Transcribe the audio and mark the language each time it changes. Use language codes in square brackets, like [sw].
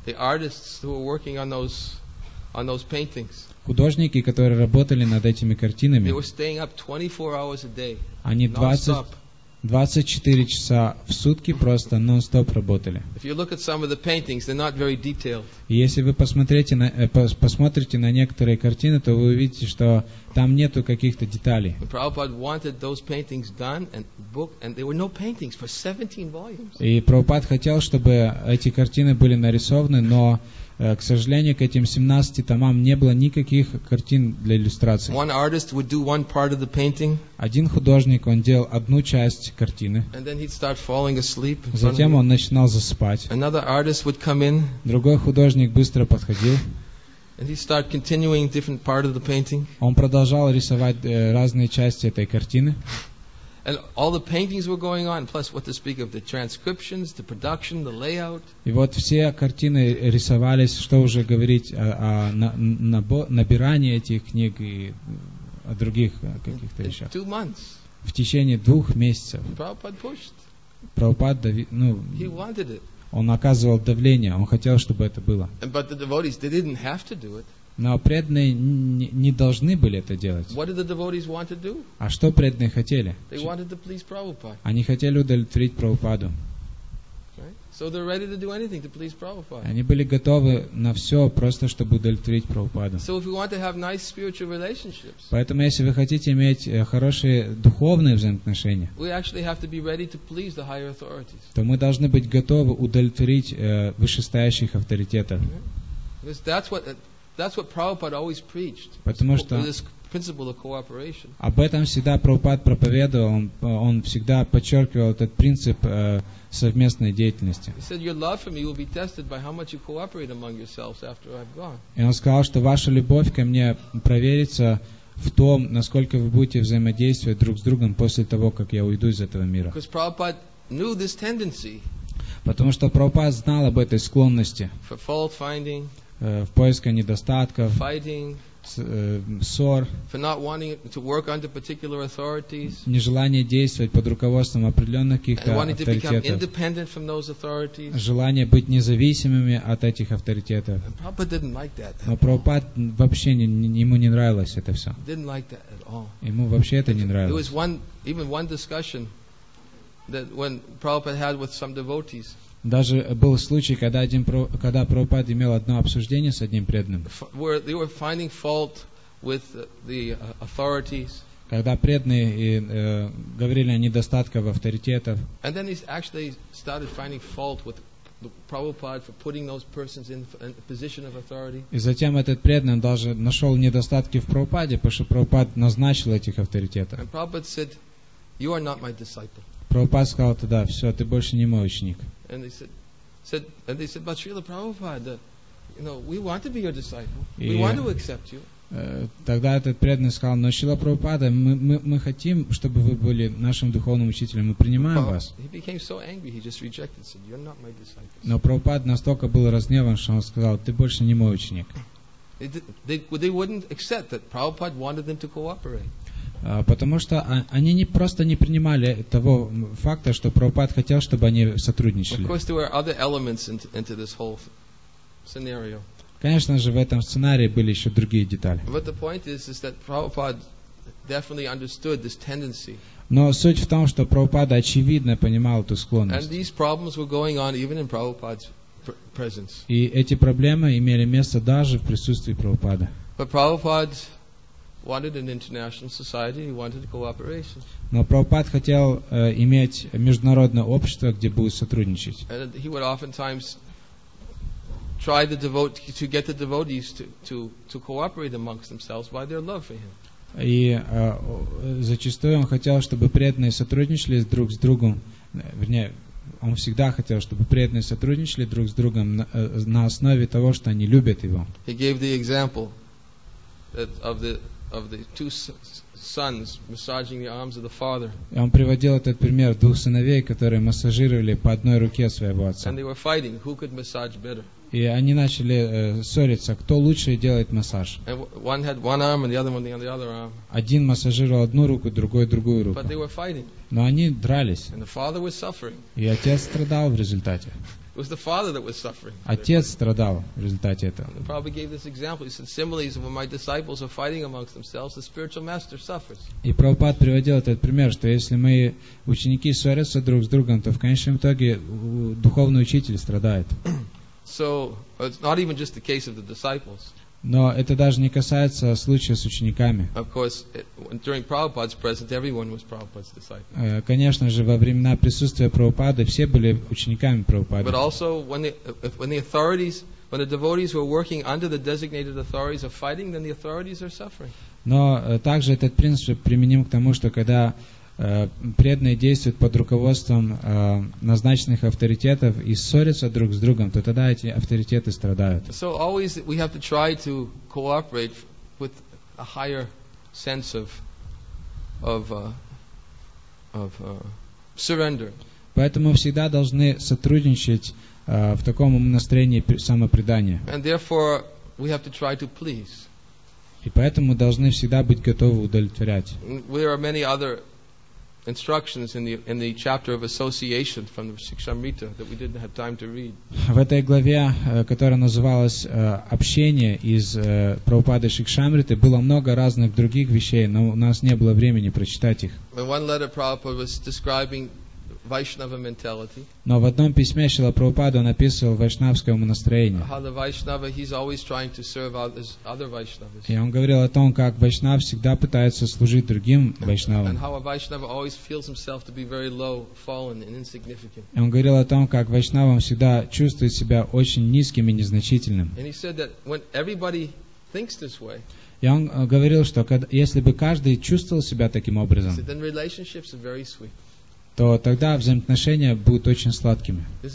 [en] The artists who were working on those paintings. [ru] Художники, которые работали над этими картинами, [en] they were staying up 24 hours a day, [ru] они 24 часа в сутки просто нон-стоп работали. [en] If you look at some of the paintings, they're not very detailed. [ru] И если вы посмотрите на некоторые картины, то вы увидите, что там нету каких-то деталей. [en] And Prabhupada wanted those paintings done and booked, and there were no paintings for 17 volumes. [ru] И Прабхупад хотел, чтобы эти картины были нарисованы, но к сожалению, к этим 17 томам не было никаких картин для иллюстрации. [en] One artist would do one part of the painting. [ru] Один художник, он делал одну часть картины. [en] And then he'd start falling asleep. [ru] Затем он начинал засыпать. [en] Another artist would come in. [ru] Другой художник быстро подходил. [en] And he'd start continuing different part of the painting. [ru] Он продолжал рисовать разные части этой картины. [en] And all the paintings were going on, plus what to speak of the transcriptions, the production, the layout. [ru] И вот все картины рисовались, что уже говорить о набирании этих книг и о других каких-то вещах. [en] 2 months. [ru] В течение 2 месяцев. [en] Prabhupada pushed. [ru] Prabhupada, ну, [en] he wanted it. [ru] Он оказывал давление, он хотел, чтобы это было. [en] But the devotees, they didn't have to do it. [ru] Но преданные не должны были это делать. [en] What did the devotees want to do? [ru] А что преданные хотели? [en] They wanted to please Prabhupada. [ru] Они хотели удовлетворить Прабхупаду. [en] Right? So they're ready to do anything to please Prabhupada. [ru] Они были готовы на все, просто чтобы удовлетворить Прабхупаду. [en] So if we want to have nice spiritual relationships, [ru] поэтому если вы хотите иметь хорошие духовные взаимоотношения, [en] we actually have to be ready to please the higher authorities. [ru] То мы должны быть готовы удовлетворить вышестоящих авторитетов. [en] Because that's what... That's what Prabhupada always preached. [ru] Потому что [en] this principle of cooperation. [ru] Об этом всегда Прабхупад проповедовал. Он всегда подчеркивал этот принцип совместной деятельности. [en] He said, "Your love for me will be tested by how much you cooperate among yourselves after I've gone." [ru] И он сказал, что ваша любовь ко мне проверится в том, насколько вы будете взаимодействовать друг с другом после того, как я уйду из этого мира. [en] Because Prabhupada knew this tendency. [ru] Потому что Прабхупад знал об этой склонности. [en] For fault finding. [ru] В поисках недостатков, [en] fighting, [ru] ссор, [en] for not wanting to work under particular authorities, [ru] нежелание действовать под руководством определенных каких-то авторитетов, [en] and wanting to become independent from those authorities, [ru] желание быть независимыми от этих авторитетов. [en] And Prabhupada didn't like that. [ru] Но Прабхупад вообще ему не нравилось это все. [en] Didn't like that at all. [ru] Ему вообще это не нравилось. [en] There was even one discussion that when Prabhupada had with some devotees. [ru] Даже был случай, когда Прабхупад имел одно обсуждение с одним преданным. [en] They were finding fault with the authorities. [ru] Когда преданные говорили о недостатках авторитетов. [en] And then he actually started finding fault with Prabhupada for putting those persons in a position of authority. [ru] И затем этот преданный даже нашел недостатки в Прабхупаде, потому что Прабхупад назначил этих авторитетов. [en] And Prabhupada said, "You are not my disciple." [ru] Прабхупад сказал тогда, все, ты больше не мой ученик. [en] And they said, but Srila Prabhupada, you know, we want to be your disciple. We want to accept you. [ru] Тогда этот преданный сказал, но Шрила Прабхупада, мы хотим, чтобы вы были нашим духовным учителем, мы принимаем вас. [en] He became so angry, he just rejected, said, you're not my disciple. [ru] Но Прабхупад настолько был разгневан, что он сказал, ты больше не мой ученик. [en] They wouldn't accept that Prabhupada wanted them to cooperate. [ru] Потому что они не просто не принимали того факта, что Прабхупад хотел, чтобы они сотрудничали. [en] Of course, there were other elements into this whole scenario. [ru] Конечно же, в этом сценарии были еще другие детали. [en] But the point is that Prabhupada definitely understood this tendency. [ru] Но суть в том, что Прабхупада очевидно понимал эту склонность. [en] And these problems were going on even in Prabhupada's presence. [ru] И эти проблемы имели место даже в присутствии Прабхупады. [en] But Prabhupada wanted an international society, he wanted cooperation. [ru] Но Прабхупад хотел иметь международное общество, где будет сотрудничать. [en] And he would oftentimes try the devote to get the devotees to cooperate amongst themselves by their love for him. [ru] И зачастую он хотел, чтобы преданные сотрудничали друг с другом, вернее, он всегда хотел, чтобы преданные сотрудничали друг с другом на основе того, что они любят его. [en] He gave the example that of the two sons massaging the arms of the father. [ru] Он приводил этот пример двух сыновей, которые массажировали по одной руке своего отца. [en] And they were fighting who could massage better. [ru] И они начали ссориться, кто лучше делает массаж. [en] And one had one arm and the other one the other arm. [ru] Один массажировал одну руку, другой другую руку. [en] But they were fighting. [ru] Но они дрались. [en] And the father was suffering. [ru] И отец страдал в результате. [en] It was the father that was suffering. [ru] Отец страдал в результате этого. [en] And Prabhupada gave this example. He said, similes of when my disciples are fighting amongst themselves, the spiritual master suffers. [ru] И Прабхупад приводил этот пример, что если мои ученики ссорятся друг с другом, то в конечном итоге духовный учитель страдает. [en] So it's not even just the case of the disciples. [ru] Но это даже не касается случая с учениками. [en] Of course, during Prabhupada's presence, everyone was Prabhupada's disciple. [ru] Конечно же, во времена присутствия Прабхупады все были учениками Прабхупады. [en] But also when the devotees who are working under the designated authorities are fighting, then the authorities are suffering. [ru] Но также этот принцип применим к тому, что когда преданные действуют под руководством назначенных авторитетов и ссорятся друг с другом, то тогда эти авторитеты страдают. [en] So always we have to try to cooperate with a higher sense of of surrender. [ru] Поэтому мы всегда должны сотрудничать в таком настроении самопредания. [en] And therefore we have to try to please. [ru] И поэтому должны всегда быть готовы удовлетворять. [en] There are many other instructions in the chapter of association from the Shikshamrita that we didn't have time to read. [ru] В этой главе, которая называлась «Общение» из Прабхупады Шикшамриты, было много разных других вещей, но у нас не было времени прочитать их. [en] In one letter, Prabhupada was describing Vaishnava mentality. [ru] Но в одном письме Шрила Прабхупада он описывал вайшнавское умонастроение. [en] How the Vaishnava, he's always trying to serve other Vaishnavas. [ru] И он говорил о том, как вайшнав всегда пытается служить другим вайшнавам. [en] And how a Vaishnava always feels himself to be very low, fallen and insignificant. [ru] И он говорил о том, как вайшнавам всегда чувствует себя очень низким и незначительным. [en] And he said that when everybody thinks this way, [ru] и он говорил, что если бы каждый чувствовал себя таким образом, [en] then relationships are very sweet. [ru] То тогда взаимоотношения будут очень сладкими.